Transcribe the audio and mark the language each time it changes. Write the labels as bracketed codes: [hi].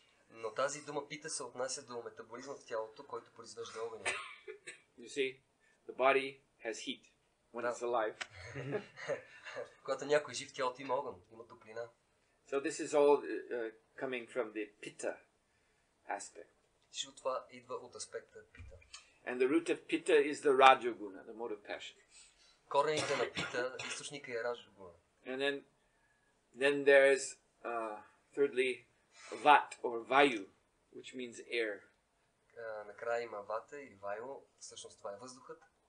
[bg] Но тази дума пита се отнася до метаболизма в тялото, който произвежда огън. [en] You see, the body has heat when it's alive. [bg] Когато някой жив, тялото има огън, има топлина. [en] So this is all coming from the pitta aspect. [bg] Всичко това идва от аспекта пита. [en] And the root of pitta is the rajoguna, the mode of passion. [bg] Корените на пита, източника е рајогуна. [en] And then there is thirdly vat or vayu, which means air. [bg] Накрая има вата или вайо, всъщност това е въздухът.